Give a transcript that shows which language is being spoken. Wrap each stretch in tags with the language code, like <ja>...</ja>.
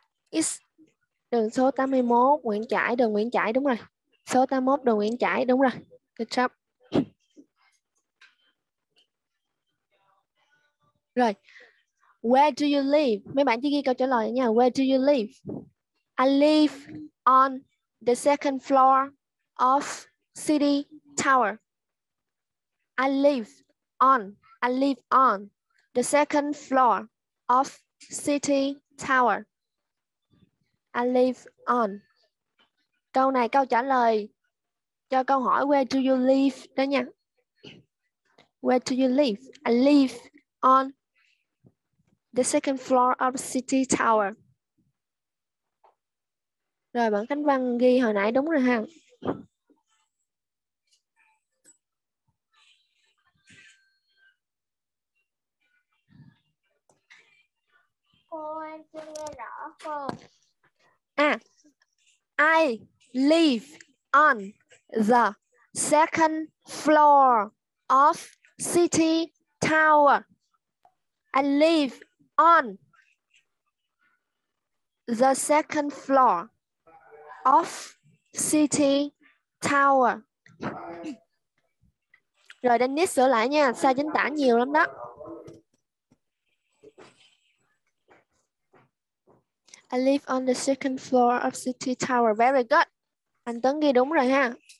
<vi>It's đường số 81, Nguyễn Trãi, đường Nguyễn Trãi, đúng rồi. Số 81, đường Nguyễn Trãi, đúng rồi.</vi> <en>Good job.</en> <vi>Rồi,</vi> <en>where do you live?</en> <vi>Mấy bạn chỉ ghi câu trả lời nha.</vi> <en>Where do you live? I live on the second floor of City Tower. I live on the second floor of City Tower. I live on.</en> <vi>Câu này câu trả lời cho câu hỏi</vi> <en>where do you live</en> <vi>đó nha.</vi> <en>Where do you live? I live on the second floor of City Tower.</en> <vi>Rồi bạn Khánh Văn ghi hồi nãy đúng rồi ha. Cô em chưa nghe rõ cô.</vi> <en>I live on the second floor of City Tower. I live on the second floor of City Tower.</en> <vi>Rồi Dennis sửa lại nha, sai chính tả nhiều lắm đó.</vi> <en>I live on the second floor of City Tower. Very good.</en> <vi>Anh Tấn ghi đúng rồi ha.</vi>